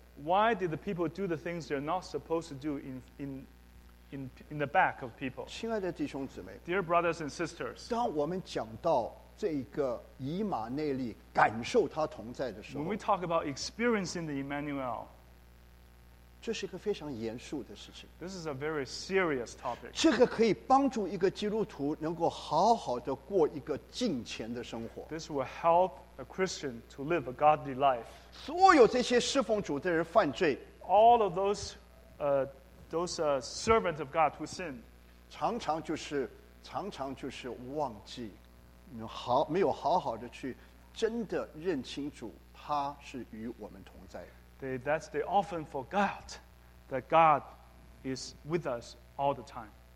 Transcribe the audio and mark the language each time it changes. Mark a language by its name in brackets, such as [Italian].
[English] Why did the people do the things they're not supposed to do in the back of people. [Chinese] 亲爱的弟兄姊妹, [English] Dear brothers and sisters, [Chinese] 当我们讲到这个以马内利, 感受他同在的时候, [English] when we talk about experiencing the Emmanuel, [Chinese] 这是一个非常严肃的事情, [English] this is a very serious topic. [Chinese] 这个可以帮助一个基督徒能够好好地过一个敬虔的生活。 [English] This will help a Christian to live a godly life. [Chinese] 所有这些侍奉主的人犯罪, [English] all of those servants of God who sin. [Chinese] 常常就是忘记，没有好好的去真的认清主，他是与我们同在。 [English] They that's they often forgot that God is with us all the time.